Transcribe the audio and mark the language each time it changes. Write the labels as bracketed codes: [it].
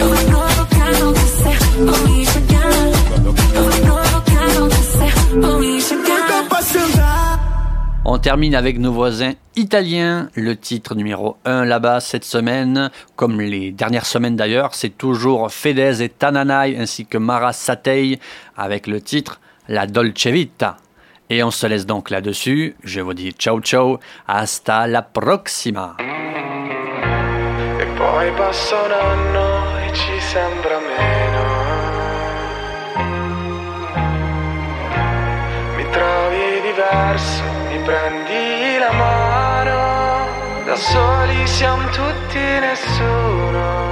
[pt] Eu vou provocar você, vou me enxergar. Eu vou provocar você, vou me enxergar. Doida pra sentar. [fr] On termine avec nos voisins italiens. Le titre numéro 1 là-bas cette semaine, comme les dernières semaines d'ailleurs, c'est toujours Fedez et Tananai ainsi que Mara Sattei avec le titre La Dolce Vita. Et on se laisse donc là-dessus. Je vous dis [it] ciao ciao, hasta la prossima. E poi passa un anno e ci sembra meno. Mi trovi diverso. Prendi la mano, da soli siamo tutti nessuno.